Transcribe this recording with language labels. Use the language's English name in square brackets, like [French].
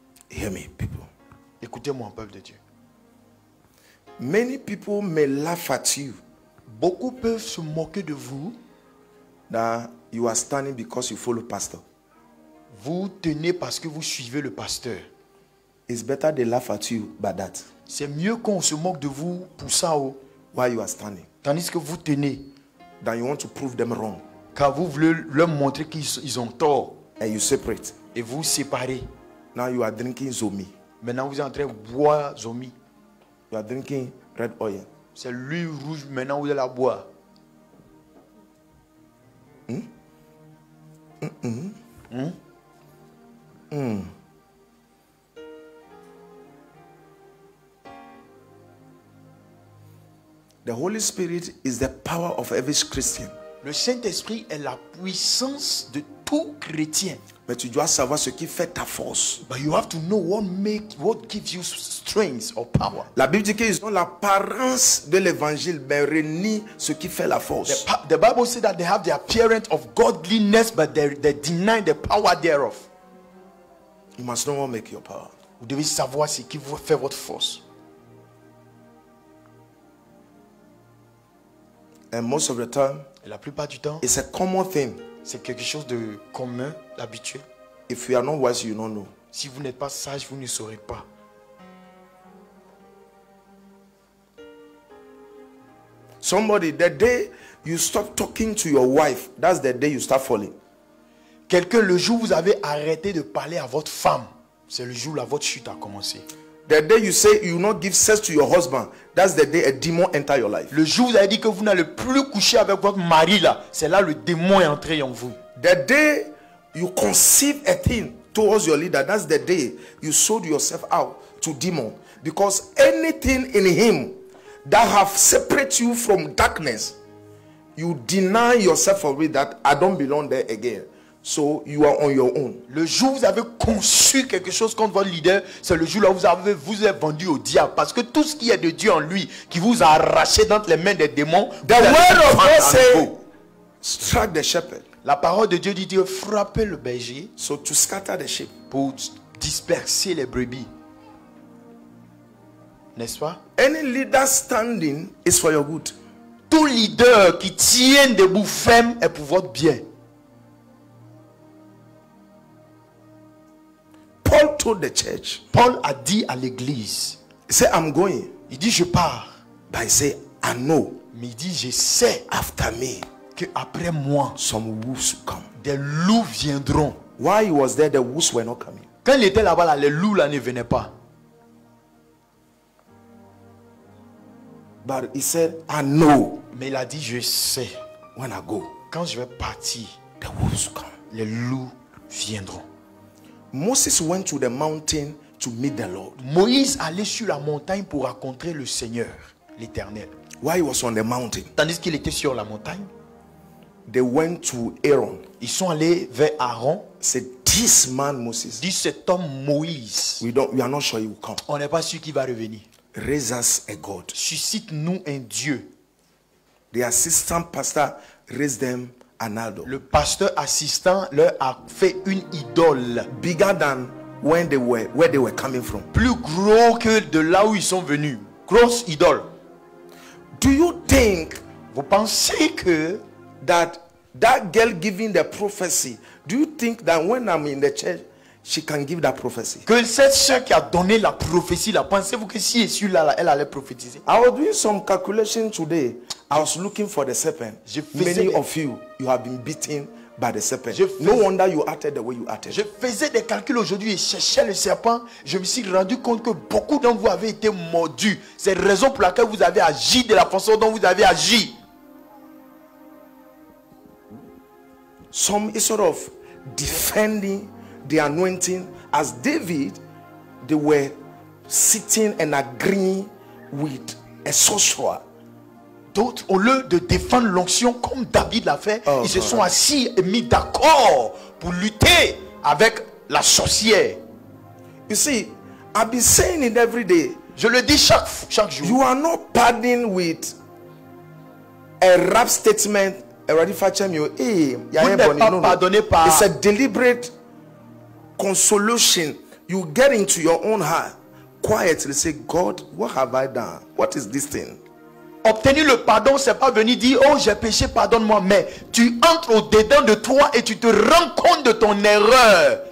[English] Hear me, people. [French] Écoutez-moi, peuple de Dieu. [English] Many people may laugh at you. [French] Beaucoup peuvent se moquer de vous. [English] You are standing because you follow pastor. [French] Vous tenez parce que vous suivez le pasteur. [English] It's better they laugh at you by that. [French] C'est mieux qu'on se moque de vous pour ça. Oh. [English] While you are standing. [French] Tandis que vous tenez. [English] Then you want to prove them wrong. [French] Car vous voulez leur montrer qu'ils ont tort. [English] And you separate. [French] Et vous séparez. [English] Now you are drinking zomi. [French] Maintenant vous êtes en train de boire zomi. [English] You are drinking red oil. [French] C'est l'huile rouge maintenant vous allez la boire. [English] The Holy Spirit is the power of every Christian. [French] Le Saint-Esprit est la puissance de tout chrétien. Mais tu dois savoir ce qui fait ta force. [English] But you have to know what gives you strength or power. [French] La Bible dit qu'ils ont l'apparence de l'évangile, mais renie ce qui fait la force. [English] The Bible says that they have the appearance of godliness, but they deny the power thereof. You must know what makes your power. [French] Vous devez savoir ce qui vous fait votre force. [English] And most of the time, [French] et la plupart du temps, [English] it's a common thing. [French] C'est quelque chose de commun, habituel. [English] If you are not wise, you don't know. [French] Si vous n'êtes pas sage, vous ne saurez pas. [English] Somebody, the day you stop talking to your wife, that's the day you start falling. [French] Quelqu'un, le jour où vous avez arrêté de parler à votre femme, c'est le jour où votre chute a commencé. [English] The day you say you will not give sex to your husband, that's the day a demon enter your life. [French] Le jour où vous avez dit que vous n'allez plus coucher avec votre mari là, c'est là le démon est entré en vous. [English] The day you conceive a thing towards your leader, that's the day you sold yourself out to demon. Because anything in him that have separated you from darkness, you deny yourself for it that I don't belong there again. So you are on your own. [French] Le jour où vous avez conçu quelque chose contre votre leader, c'est le jour où vous êtes vendu au diable. Parce que tout ce qui est de Dieu en lui, qui vous a arraché dans les mains des démons, [English] the word of God says, strike the shepherd. [French] La parole de Dieu dit de frapper le berger. [English] So to scatter the sheep. [French] Pour disperser les brebis. N'est-ce pas? [English] Any leader standing is for your good. [French] Tout leader qui tient debout ferme est pour votre bien. [English] Paul told the church. [French] Paul a dit à l'église. [English] He said, I'm going. [French] Il dit je pars. [English] But he said, I know. [French] Mais il dit je sais. [English] After me. [French] Que après moi. [English] Some wolves will come. [French] Des loups viendront. [English] While he was there, the wolves were not coming. [French] Quand il était là-bas, là, les loups là ne venaient pas. [English] But he said, I know. [French] Mais il a dit je sais. [English] When I go. [French] Quand je vais partir. [English] The wolves will come. [French] Les loups viendront. [English] Moses went to the mountain to meet the Lord. [French] Moïse allait sur la montagne pour rencontrer le Seigneur, l'Éternel. [English] While he was on the mountain, [French] tandis qu'il était sur la montagne, [English] they went to Aaron. [French] Ils sont allés vers Aaron. [English] C'est this man Moses. [French] Dit cet homme Moïse. [English] We are not sure he will come. [French] On n'est pas sûr qu'il va revenir. [English] Raise us a God. [French] Suscite-nous un Dieu. [English] The assistant pastor raised them an idol. [French] Le pasteur assistant leur a fait une idole. [English] Bigger than when they were, where they were coming from. [French] Plus gros que de là où ils sont venus. Grosse idole. [English] Do you think, [French] vous pensez que [English] that girl giving the prophecy, do you think that when I'm in the church, she can give that prophecy? [French] Que cette sœur qui a donné la prophétie là, pensez-vous que si elle est là, elle allait prophétiser? [English] I was doing some calculation today. I was looking for the serpent. Many of you have been beaten by the serpent. No wonder you acted the way you acted. [French] Je faisais des calculs aujourd'hui et cherchais le serpent. Je me suis rendu compte que beaucoup d'entre vous avez été mordus. C'est la raison pour laquelle vous avez agi de la façon dont vous avez agi. [English] Some is sort of defending the anointing as David, they were sitting and agreeing with a sorcerer. [French] D'autres, au lieu de défendre l'onction comme David l'a fait, ils se sont assis et mis d'accord pour lutter avec la sorcière. [English] You see, I've been saying it every day. [French] Je le dis chaque jour. [English] You are not pardoned with a rap statement. [French] Vous n'êtes pas pardonné par. [English] It's a deliberate consolation. You get into your own heart quietly, say, God, what have I done? What is this thing? [French] Obtenir le pardon, c'est pas venir dire, oh, j'ai péché, pardonne-moi. Mais tu entres au dedans de toi et tu te rends compte de ton erreur.